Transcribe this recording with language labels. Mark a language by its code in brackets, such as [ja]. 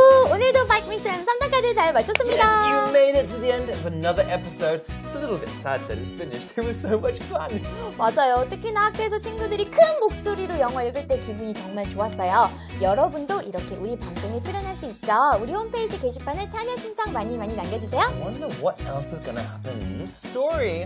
[ko] 오늘도 바이크 미션 3단까지 잘 마쳤습니다. [en] Yes, you made it to the end of another episode. It's a little bit sad that it's finished. It was so much fun. [ko] 맞아요. 특히나 학교에서 친구들이 큰 목소리로 영어 읽을 때 기분이 정말 좋았어요. 여러분도 이렇게 우리 방송에 출연할 수 있죠. 우리 홈페이지 게시판에 참여 신청 많이 많이 남겨주세요. [en] I wonder what else is gonna happen in this story.